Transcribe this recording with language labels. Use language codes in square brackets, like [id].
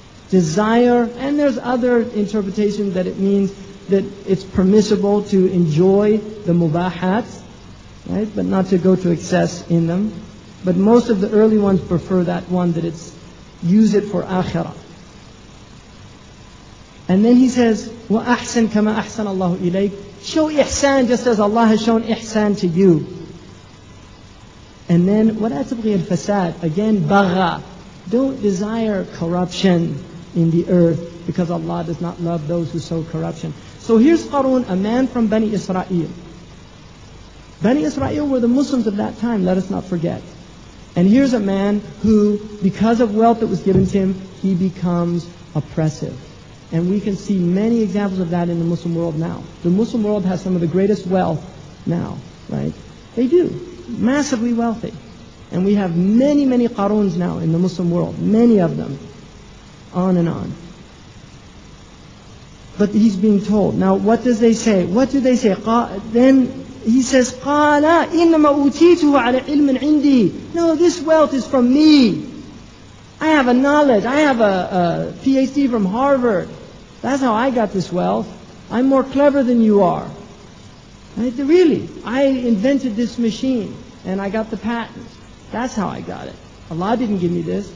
[en] Desire, and there's other interpretations that it means that it's permissible to enjoy the mubahat, right? But not to go to excess in them. But most of the early ones prefer that one, that it's use it for akhirah. And then he says, [ar] وَأَحْسَنْ كَمَا أَحْسَنَ اللَّهُ إِلَيْكَ. [en] Show ihsan just as Allah has shown ihsan to you. [ar] And then, وَلَا تَبْغِي الْفَسَادِ. Again, بَغَى. [en] Don't desire corruption in the earth, because Allah does not love those who sow corruption. So here's Qarun, a man from Bani Israel. Bani Israel were the Muslims of that time, let us not forget. And here's a man who, because of wealth that was given to him, he becomes oppressive. And we can see many examples of that in the Muslim world now. The Muslim world has some of the greatest wealth now, right? They do. Massively wealthy. And we have many, many Qaruns now in the Muslim world. Many of them. On and on. But he's being told. Now, what does they say? What do they say? Then he says, [ar] قَالَا إِنَّمَا أُوتِيتُهُ عَلَى عِلْمٍ عِنْدِي. [en] No, this wealth is from me. I have a knowledge. I have a PhD from Harvard. That's how I got this wealth. I'm more clever than you are. Right? Really, I invented this machine and I got the patent. That's how I got it. Allah didn't give me this.